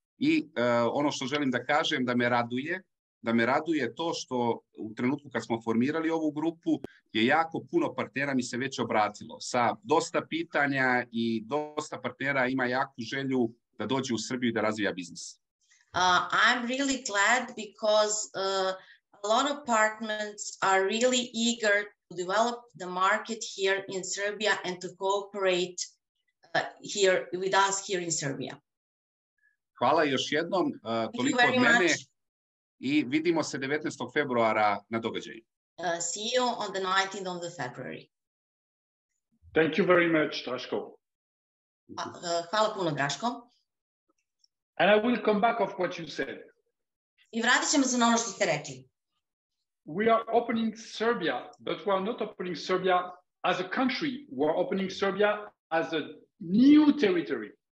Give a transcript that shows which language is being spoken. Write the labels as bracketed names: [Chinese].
[Serbian] I ono što želim da kažem, da me raduje to što u trenutku kad smo formirali ovu grupu, je jako puno partnera mi se već obratilo sa dosta pitanja i dosta partnera ima jaku želju da dođe u Srbiju i da razvija biznis. [English] I'm really glad because a lot of partners are really eager to develop the market here in Serbia and to cooperate here with us here in Serbia. [Serbian] Hvala još jednom, toliko od mene i vidimo se 19. februara na događaju. [English] See you on the 19th of the February. Thank you very much, Draško. [Serbian] Hvala puno, Draško. [English] And I will come back of what you said. [Serbian] I vratit ćemo se na ono što ste rekli. [English] We are opening Serbia, but we are not opening Serbia as a country. We are opening Serbia as a new territory.